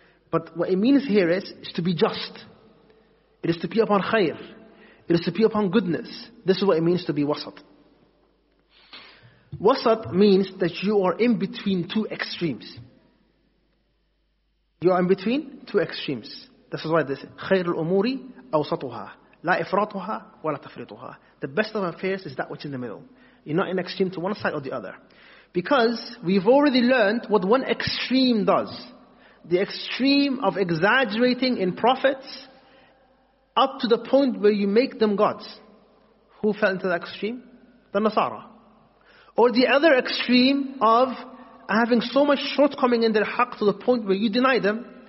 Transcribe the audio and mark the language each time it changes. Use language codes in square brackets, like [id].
[en] But what it means here is to be just. It is to be upon khair. It is to be upon goodness. This is what it means to be wasat. Wasat means that you are in between two extremes. You are in between two extremes. This is why this [ar] خير الأموري أوسطها لا إفراطها ولا تفريطها. [en] The best of affairs is that which is in the middle. You're not in extreme to one side or the other. Because we've already learned what one extreme does. The extreme of exaggerating in prophets up to the point where you make them gods. Who fell into that extreme? The Nasara. Or the other extreme of having so much shortcoming in their haqq to the point where you deny them.